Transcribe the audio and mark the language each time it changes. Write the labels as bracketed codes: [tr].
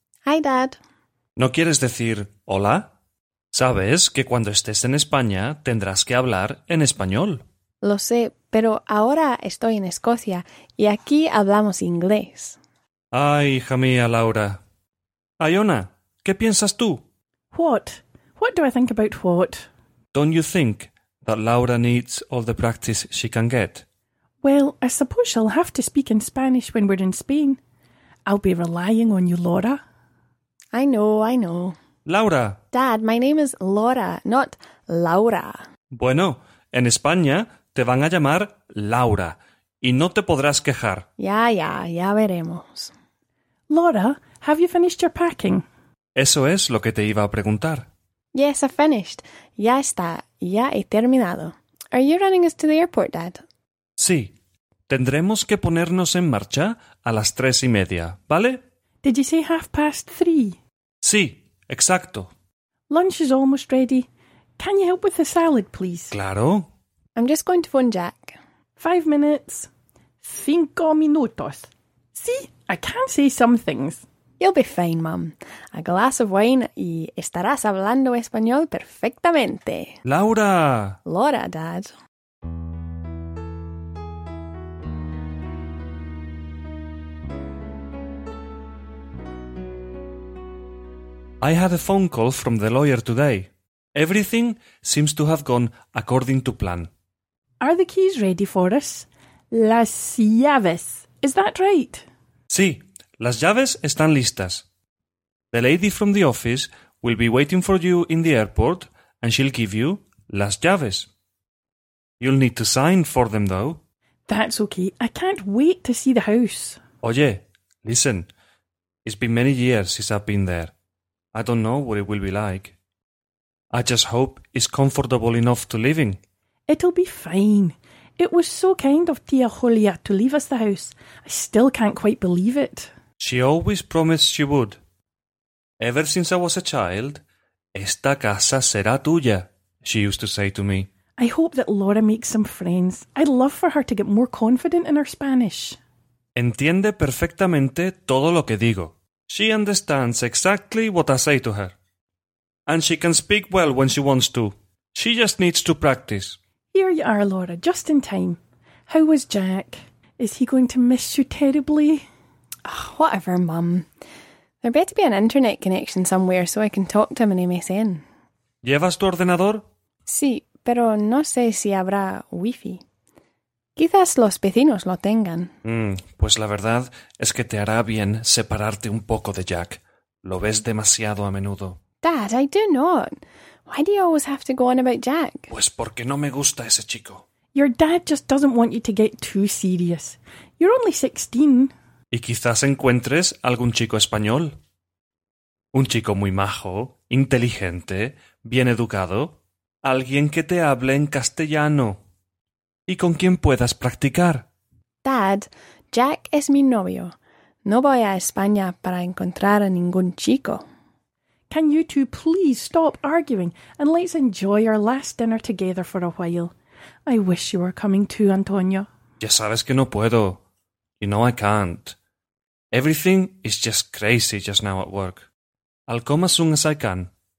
[en] Hi, Dad. [es] ¿No quieres decir hola? Sabes que cuando estés en España tendrás que hablar en español. Lo sé, pero ahora estoy en Escocia y aquí hablamos inglés. Ay, hija mía, Laura. Iona, ¿qué piensas tú? [en] What? What do I think about what? Don't you think that Laura needs all the practice she can get? Well, I suppose she'll have to speak in Spanish when we're in Spain. I'll be relying on you, Laura. I know. Laura. Dad, my name is Laura, not Laura. [es] Bueno, en España te van a llamar Laura y no te podrás quejar. Ya veremos. [en] Laura, have you finished your packing? [es] Eso es lo que te iba a preguntar. [en] Yes, I finished. [es] Ya está, ya he terminado. [en] Are you running us to the airport, Dad? [es] Sí. Tendremos que ponernos en marcha a las 3:30, ¿vale? [en] Did you say 3:30? [es] Sí, exacto. [en] Lunch is almost ready. Can you help with the salad, please? [es] Claro. [en] I'm just going to phone Jack. 5 minutes. [es] 5 minutos. [en] See, I can say some things. You'll be fine, Mum. A glass of wine [es] y estarás hablando español perfectamente. [en] Laura. Laura, Dad. I had a phone call from the lawyer today. Everything seems to have gone according to plan. Are the keys ready for us? [es] Las llaves. [en] Is that right? [es] Sí, las llaves están listas. [en] The lady from the office will be waiting for you in the airport and she'll give you [es] las llaves. [en] You'll need to sign for them, though. That's okay. I can't wait to see the house. Oye, listen. It's been many years since I've been there. I don't know what it will be like. I just hope it's comfortable enough to live in. It'll be fine. It was so kind of Tia Julia to leave us the house. I still can't quite believe it. She always promised she would. Ever since I was a child, [es] esta casa será tuya, [en] she used to say to me. I hope that Laura makes some friends. I'd love for her to get more confident in her Spanish. [es] Entiende perfectamente todo lo que digo. [en] She understands exactly what I say to her. And she can speak well when she wants to. She just needs to practice. Here you are, Laura, just in time. How was Jack? Is he going to miss you terribly? Oh, whatever, Mum. There better be an internet connection somewhere so I can talk to him on MSN. [es] ¿Llevas tu ordenador? Sí, pero no sé si habrá wifi. Quizás los vecinos lo tengan. Pues la verdad es que te hará bien separarte un poco de Jack. Lo ves demasiado a menudo. [en] Dad, I do not. Why do you always have to go on about Jack? [es] Pues porque no me gusta ese chico. [en] Your dad just doesn't want you to get too serious. You're only 16. [es] Y quizás encuentres algún chico español. Un chico muy majo, inteligente, bien educado. Alguien que te hable en castellano. Y con quien puedas practicar. Dad, Jack es mi novio. No voy a España para encontrar a ningún chico. [en] Can you two please stop arguing and let's enjoy our last dinner together for a while? I wish you were coming too, Antonio. [es] Ya sabes que no puedo. [en] You know I can't. Everything is just crazy just now at work. I'll come as soon as I can.